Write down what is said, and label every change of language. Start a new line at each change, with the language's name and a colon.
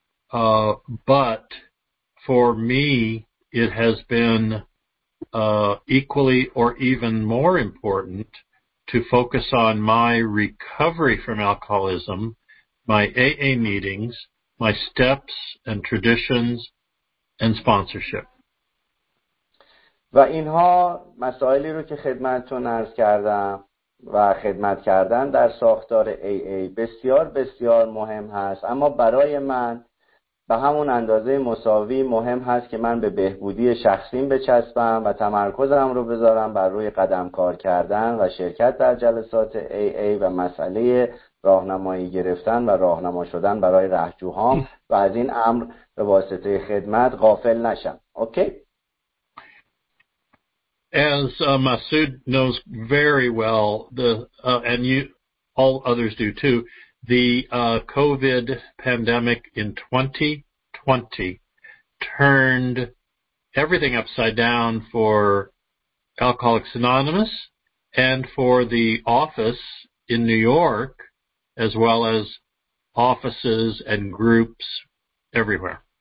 English: But for me it has been equally or even more important to focus on my recovery from alcoholism, my AA meetings, my steps and traditions and sponsorship.
Persian: و اینها مسائلی رو که خدمتتون عرض کردم و خدمت کردن در ساختار AA بسیار بسیار مهم هست، اما برای من به همون اندازه مساوی مهم هست که من به بهبودی شخصیم بچسبم و تمرکزم رو بذارم بر روی قدم کار کردن و شرکت در جلسات AA و مسئله راهنمایی گرفتن و راهنما شدن برای رهجوهام و از این امر به واسطه خدمت غافل نشم. اوکی؟
English: As Masood knows very well, and you, all others do too, the COVID pandemic in 2020 turned everything upside down for Alcoholics Anonymous and for the office in New York, as well as offices and groups everywhere.